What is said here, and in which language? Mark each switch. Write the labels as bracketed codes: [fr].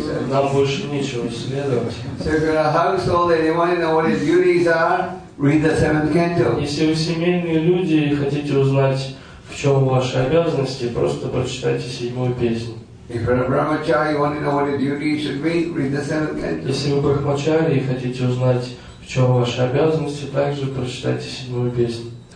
[ru] Нам больше нечего исследовать. Если вы семейные люди и хотите узнать, в чем ваши обязанности, просто прочитайте седьмую песню. [en] If you're a brahmachari, you want to know what your duty should be, read the seventh canto. [ru] Если вы брахмачари и хотите узнать, в чем ваши обязанности, также прочитайте седьмую песню.